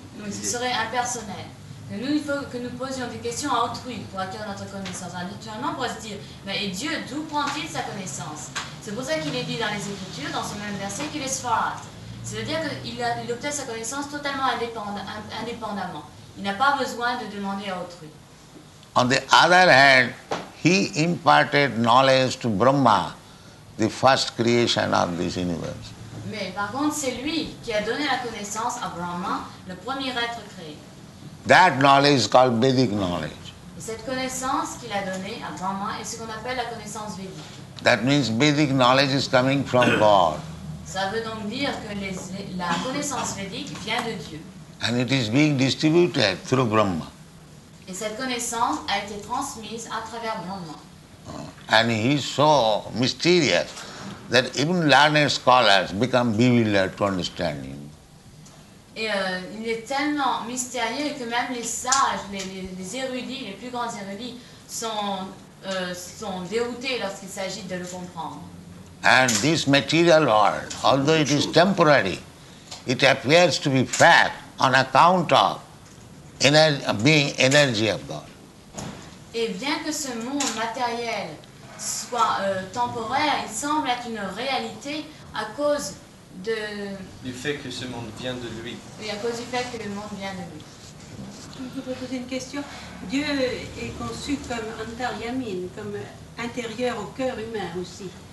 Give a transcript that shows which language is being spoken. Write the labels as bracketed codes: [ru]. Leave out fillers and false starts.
[fr] Ce serait impersonnel. Et nous, il faut que nous posions des questions à autrui pour acquérir notre connaissance. Alors, naturellement, on pourrait se dire, mais et Dieu, d'où prend-il sa connaissance? C'est pour ça qu'il est dit dans les Écritures, dans ce même verset, qu'il est Sfarat. C'est-à-dire qu'il obtient sa connaissance totalement indépendamment. Il n'a pas besoin de demander à autrui. [en] On the other hand, he imparted knowledge to Brahma, the first creation of this universe. [fr] Mais par contre, c'est lui qui a donné la connaissance à Brahma, le premier être créé. [en] That knowledge is called Vedic knowledge. [fr] Et cette connaissance qu'il a donnée à Brahma est ce qu'on appelle la connaissance védique. [en] That means Vedic knowledge is coming from God. [fr] Ça veut donc dire que la connaissance védique vient de Dieu. [en] And it is being distributed through Brahma. [fr] Et cette connaissance a été transmise à travers Brahma. [en] And he is so mysterious that even learned scholars become bewildered to understand him. [fr] Et il est tellement mystérieux que même les sages, les érudits, les plus grands érudits, sont déroutés lorsqu'il s'agit de le comprendre. [en] And this material world, although it is temporary, it appears to be fat on account of being energy of God. [fr] Et bien que ce monde matériel soit temporaire, il semble être une réalité à cause de... Du fait que ce monde vient de lui. Oui, à cause du fait que le monde vient de lui. Je voudrais poser une question. Dieu est conçu comme Antaryamin, comme intérieur au cœur humain aussi.